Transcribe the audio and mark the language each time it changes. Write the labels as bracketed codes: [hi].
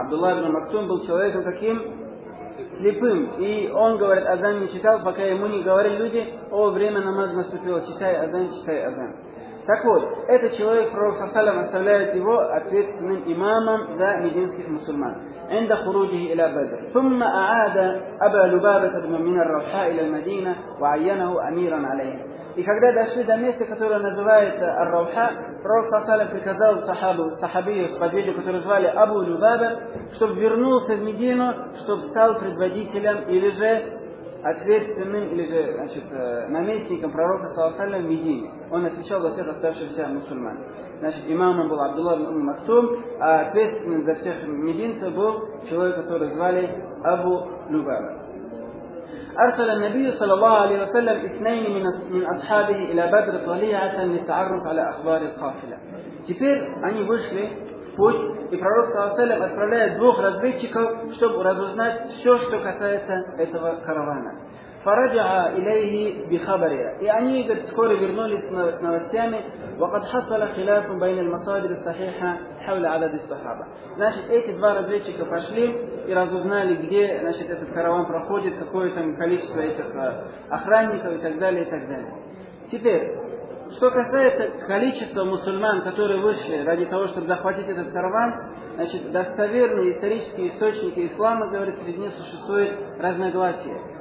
[ru] Абдулла ибн Мактум был человеком каким? Слепым. И он, говорит, азан не читал, пока ему не говорили люди: о, время намаза наступило, читай азан, читай азан. Так вот, этот человек, пророк саллаллам, оставляет его ответственным имамом за мединских мусульман. [ar] عند خروجه إلى بدر ثم أعاد أبا لبابة بن من الرفحاء إلى المدينة وعينه أميرا عليه. [ru] И когда дошли до места, которое называется Ар-Рауха, пророк саллаллам приказал сахабию, сподвижнику, который звали Абу Любаба, чтобы вернулся в Медину, чтобы стал предводителем или же ответственным, или же, значит, наместником пророка саллаллам в Медине. Он отвечал за всех оставшихся мусульман. Значит, имамом был Абдуллах ибн Мактум, а ответственным за всех мединцев был человек, который звали Абу Любаба. [ar] أرسل النبي صلى الله عليه وسلم اثنين من أصحابه إلى بدر طليعة للتعرف على أخبار القافلة. [ru] Теперь они вышли в путь, и пророк صلى الله عليه وسلم отправляет двух разведчиков, чтобы разузнать все, что касается этого каравана. [ar] فرجع إليه بخبره. [ru] И они, говорит, вскоре вернулись с новостями. [ar] وقد حصل خلاف بين المصادر الصحيحة حول عدد الصحابة. [ru] Значит, эти два разведчика пошли и разузнали, где, значит, этот караван проходит, какое там количество этих охранников и так далее, и так далее. Теперь, что касается количества мусульман, которые вышли ради того, чтобы захватить этот караван, значит, достоверные исторические источники ислама, говорят, среди них существует разногласие.